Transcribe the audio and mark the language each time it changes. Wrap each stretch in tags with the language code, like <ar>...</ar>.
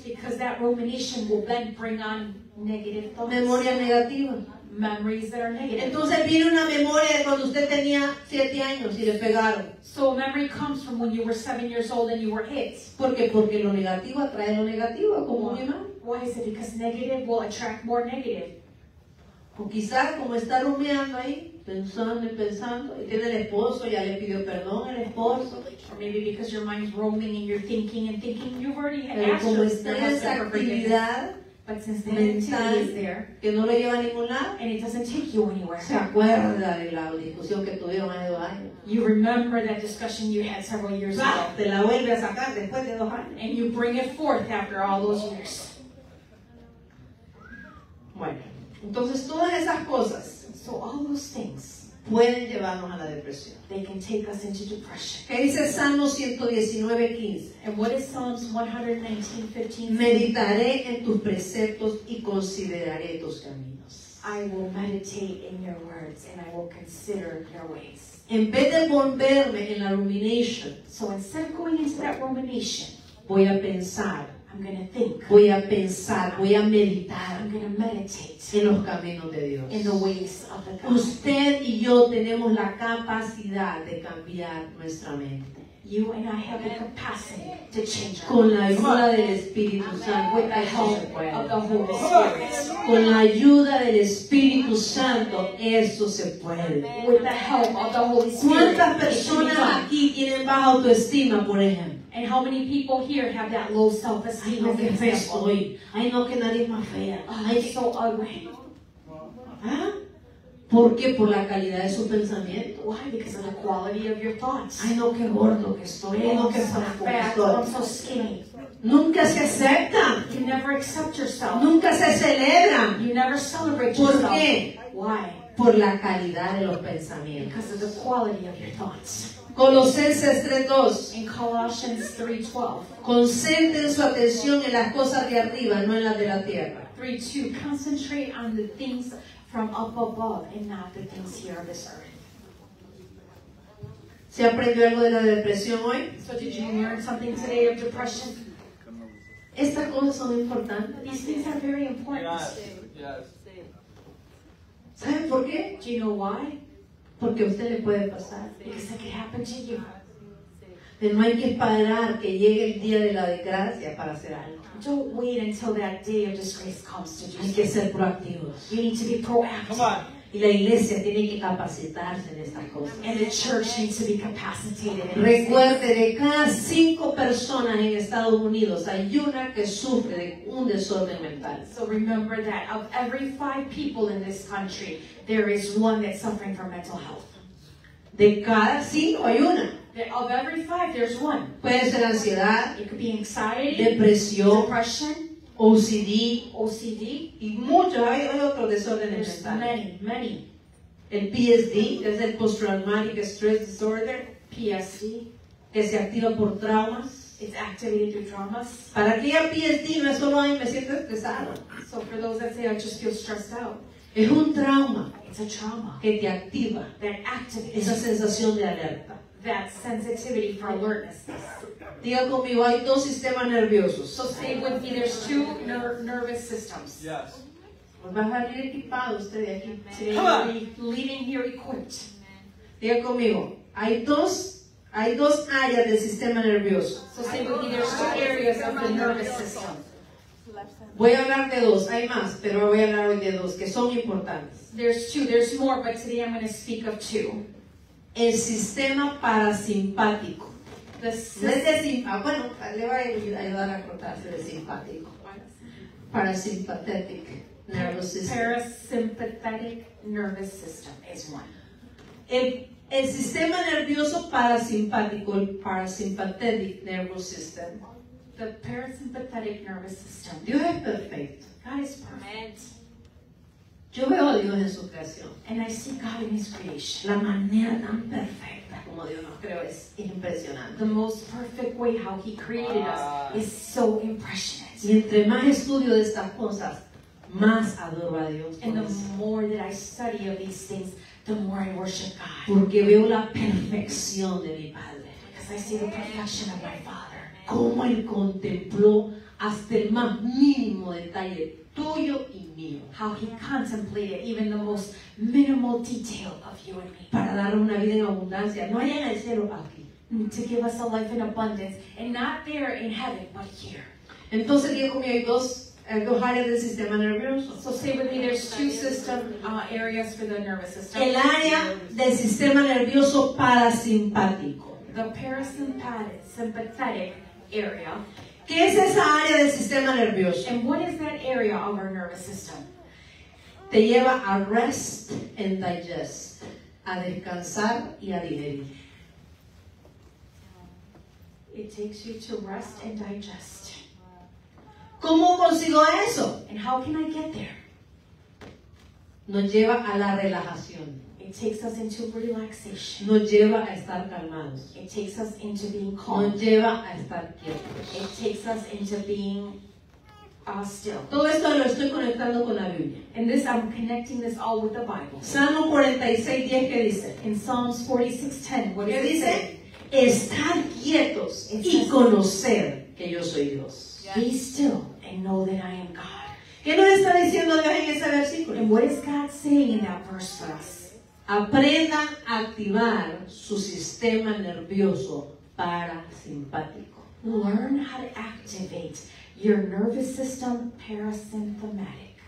<en>Because that rumination will then bring on negative thoughts.</en> <es>Memoria negativa.</es> <en>Memories that are negative.</en> <es>Entonces viene una memoria de cuando usted tenía 7 años y le pegaron.</es> <en>So a memory comes from when you were 7 years old and you were hit.</en> <es>¿Por qué? Porque lo negativo atrae lo negativo, como mi mamá.</es> <en>Why is it? Because negative will attract more negative.</en> <es>O quizás como está rumiando ahí, pensando y pensando, y tiene el esposo, ya le pidió perdón al esposo.</es> <en>Or maybe because your mind's roaming and you're thinking and thinking, you've already had asked yourself. But But since the mental is there,</en> <es>que no lo lleva a ningún lado,</es> <en>and it doesn't take you anywhere,</en> <es>se acuerda de la discusión que tuvieron hace 2 años.</es> <en>You remember that discussion you had several years</en> <es>va,</es> <en>ago.</en> <es>Te la vuelve a sacar después de 2 años.</es> <en>And you bring it forth after all those years.</en> <es>Bueno, entonces todas esas cosas,</es> <en>so all those things,</en> <es>pueden llevarnos a la depresión.</es> <en>They can take us into depression.</en> <es>¿Qué dice Salmo 119:15?</es> <en>And what is Psalms 119:15?</en> <es>Meditaré en tus preceptos y consideraré tus caminos.</es> <en>I will meditate in your words and I will consider your ways.</en> <es>En vez de volverme en la rumination,</es> <en>so instead of going into that rumination,</en> <es>voy a pensar.</es> <en>I'm going to think.</en> <es>Voy a pensar, voy a meditar.</es> <en>I'm going to meditate.</en> <es>En los caminos de Dios.</es> <en>In the ways of the God.</en> <es>Usted y yo tenemos la capacidad de cambiar nuestra mente.</es> <en>You and I have the capacity to change.</en> <es>Con la ayuda del Espíritu Santo.</es> <en>With the help of the Holy Spirit.</en> <es>Con la ayuda del Espíritu Santo, eso se puede.</es> <en>With the help of the Holy Spirit.</en> <es>¿Cuántas personas aquí tienen baja autoestima, por ejemplo?</es> <en>And how many people here have that low self-esteem?</en> <es>Ay, no, que fea soy. Ay, no, que nadie más fea.</es> <en>I'm so ugly.</en> <es>¿Por qué? Por la calidad de su pensamiento.</es> <en>Why? Because of the quality of your thoughts.</en> <es>Ay, no, que gordo que estoy. Ay, no, que flaco que estoy.</es> <en>I'm so skinny.</en> <es>Nunca se acepta.</es> <en>You never accept yourself.</en> <es>Nunca se celebra.</es> <en>You never celebrate yourself.</en> <es>¿Por qué?</es> <en>Why?</en> <es>Por la calidad de los pensamientos.</es> <en>Because of the quality of your thoughts.</en> <es>Colosenses 3:2.</es> <en>In Colossians 3:12.</en> <es>Concentren su atención en las cosas de arriba, no en las de la tierra. 3:2.</es> <en>Concentrate on the things from up above and not the things here on this earth.</en> <es>¿Se aprendió algo de la depresión hoy?</es> <en>So did you learn something today of depression?</en> <es>Estas cosas son importantes.</es> <en>These things are very important. Yes.</en> <es>¿Saben por qué?</es> <en>Do you know why?</en> <es>Porque a usted le puede pasar.</es> <en>Because it could happen to you.</en> <es>Pero no hay que esperar que llegue el día de la desgracia para hacer algo.</es> <en>Don't wait until that day of disgrace comes to you.</en> <es>Hay que ser proactivos.</es> <en>You need to be proactive. Come on.</en> <es>Y la iglesia tiene que capacitarse en estas cosas.</es> <en>And the church needs to be capacitated.</en> <es>Recuerde, de cada 5 personas en Estados Unidos hay una que sufre de un desorden mental.</es> <en>So remember that of every 5 people in this country, there is one that's suffering from mental health.</en> <es>De cada 5 hay una.</es> <en>Of every 5, there's one.</en> <es>Puede ser ansiedad.</es> <en>It could be anxiety.</en> <es>Depresión.</es> <en>Depression. OCD. OCD.</en> <es>Y muchos, hay otros desórdenes mentales.</es> <en>Many, many.</en> <es>El PSD, es el</es> <en>Post Traumatic Stress Disorder. PSD.</en> <es>Que se activa por traumas.</es> <en>It's activated through traumas.</en> <es>Para que haya PSD, no es solo ahí, me siento estresado.</es> <en>So for those that say, I just feel stressed out.</en> <es>Es un trauma.</es> <en>It's a trauma.</en> <es>Que te activa.</es> <en>That activates.</en> <es>Esa sensación de alerta.</es> <en>That sensitivity for alertness.</en> <es>Diga conmigo, hay 2 sistemas nerviosos.</es> <en>So stay with me, there's 2 nervous systems. Yes.</en> <es>Pues vas a salir equipado usted de aquí.</es> <en>Today you'll be leaving here equipped.</en> <es>Diga conmigo, hay dos áreas del sistema nervioso.</es> <en>So stay with me, there's 2 areas of the nervous system.</en> <es>Voy a hablar de 2, hay más, pero voy a hablar hoy de 2, que son importantes.</es> <en>There's more, but today I'm going to speak of 2.</en> <es>El sistema parasimpático. Le voy a ayudar a cortarse de simpático.</es> <en>Parasympathetic nervous system. Parasympathetic nervous system is one.</en> <es>El sistema nervioso parasimpático, el</es> <en>parasympathetic nervous system. The parasympathetic nervous system.</en> <es>Dios es perfecto.</es> <en>God is perfect.</en> <es>Yo veo a Dios en su creación.</es> <en>And I see God in his creation.</en> <es>La manera tan perfecta. Como Dios nos creó es impresionante.</es> <en>The most perfect way how he created us is so impressionant.</en> <es>Y entre más estudio de estas cosas, más adoro a Dios.</es> <en>And the more that I study of these things, the more I worship God.</en> <es>Porque veo la perfección de mi Padre.</es> <en>Because I see the perfection of my Father.</en> <es>Cómo él contempló hasta el más mínimo detalle tuyo y mío.</es> <en>How he contemplated even the most minimal detail of you and me.</en> <es>Para dar una vida en abundancia, no allá en el cielo, aquí.</es> <en>To give us a life in abundance, and not there in heaven, but here.</en> <es>Entonces, digo conmigo, hay dos áreas del sistema nervioso.</es> <en>So stay with me, there's 2 areas for the nervous system.</en> <es>El área del sistema nervioso parasimpático.</es> <en>The parasympathetic area.</en> <es>¿Qué es esa área del sistema nervioso?</es> <en>And what is that area of our nervous system?</en> <es>Te lleva a</es> <en>rest and digest,</en> <es>a descansar y a digerir.</es> <en>It takes you to rest and digest.</en> <es>¿Cómo consigo eso?</es> <en>And how can I get there?</en> <es>Nos lleva a la relajación.</es> <en>It takes us into relaxation.</en> <es>Nos lleva a estar calmados.</es> <en>It takes us into being calm.</en> <es>Nos lleva a estar quietos.</es> <en>It takes us into being still.</en> <es>Todo esto lo estoy conectando con la Biblia.</es> <en>And this, I'm connecting this all with the Bible.</en> <es>Salmo 46:10, ¿qué dice?</es> <en>In Psalms 46:10, what does it say?</en> <es>Estar quietos y conocer que yo soy Dios.</es> <en>Yes. Be still and know that I am God.</en> <es>¿Qué nos está diciendo Dios en ese versículo?</es> <en>And what is God saying in that verse for us?</en> <es>Aprenda a activar su sistema nervioso parasimpático.</es> <en>Learn how to activate your nervous system parasympathetic.</en>